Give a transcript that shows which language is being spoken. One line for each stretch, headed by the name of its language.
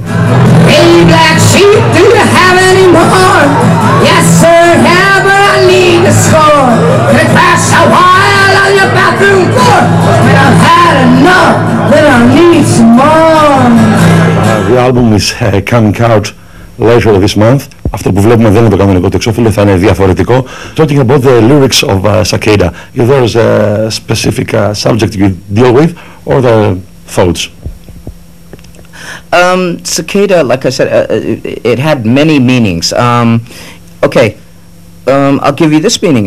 English: Hey, black sheep, do you have any more? Yes, sir, yeah, but I need a score. Could it pass a while on your bathroom floor? When I've had enough, then I need some more. The album is coming out later this month.
Greek: Αυτό που βλέπουμε δεν είναι το κανονικό τεξόφιλο, θα είναι διαφορετικό.
English: Talking about the lyrics of Cicada, if there is a specific subject you deal with, or the thoughts? Cicada, like I said, it had many meanings. I'll give you this meaning.